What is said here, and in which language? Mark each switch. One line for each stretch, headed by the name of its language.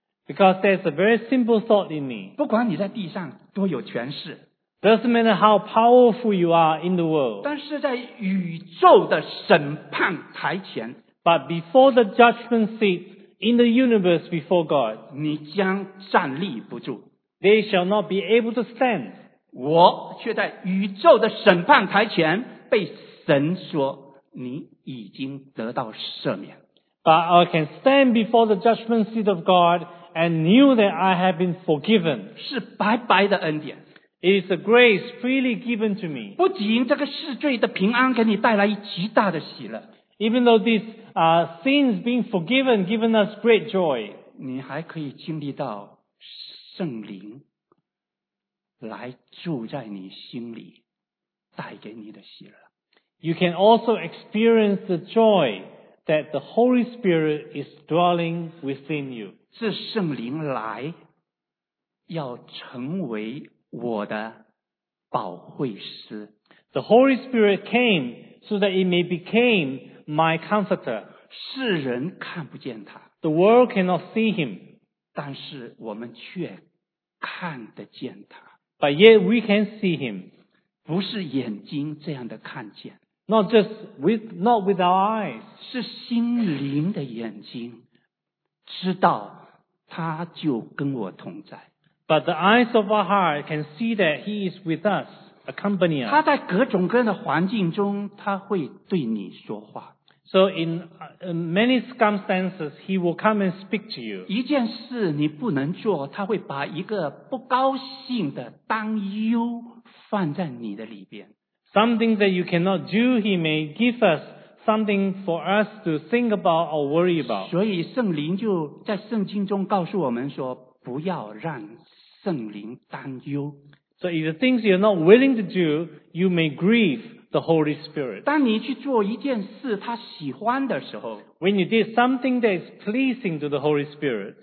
English: Because there's a very simple thought in me.
Chinese: 不管你在地上多有权势。
English: Doesn't matter how powerful you are in the world.
Chinese: 但是在宇宙的审判台前
English: But before the judgment seat in the universe before God,
Chinese: 你将站立不住
English: They shall not be able to stand.
Chinese: 我却在宇宙的审判台前被神说你已经得到赦免
English: But I can stand before the judgment seat of God and knew that I have been forgiven.
Chinese: 是白白的恩典
English: It is a grace freely given to me.
Chinese: 不仅这个世罪的平安给你带来极大的喜乐
English: Even though these sins being forgiven given us great joy,
Chinese: 你还可以经历到圣灵来住在你心里带给你的喜乐
English: You can also experience the joy that the Holy Spirit is dwelling within you.
Chinese: 这圣灵来要成为我的保惠师
English: The Holy Spirit came so that it may become my comforter.
Chinese: 世人看不见他
English: The world cannot see him.
Chinese: 但是我们却看得见他
English: But yet we can see him.
Chinese: 不是眼睛这样的看见
English: Not with our eyes.
Chinese: 是心灵的眼睛知道他就跟我同在
English: But the eyes of our heart can see that He is with us, accompany us.
Chinese: 他在各种各样的环境中，他会对你说话。
English: So in many circumstances, he will come and speak to you.
Chinese: 一件事你不能做，他会把一个不高兴的担忧放在你的里边。
English: Something that you cannot do, he may give us something for us to think about or worry about.
Chinese: 所以圣灵就在圣经中告诉我们说，不要让圣灵担忧。
English: So if the things you're not willing to do, you may grieve the Holy Spirit.
Chinese: 当你去做一件事他喜欢的时候，
English: When you did something that is pleasing to the Holy Spirit,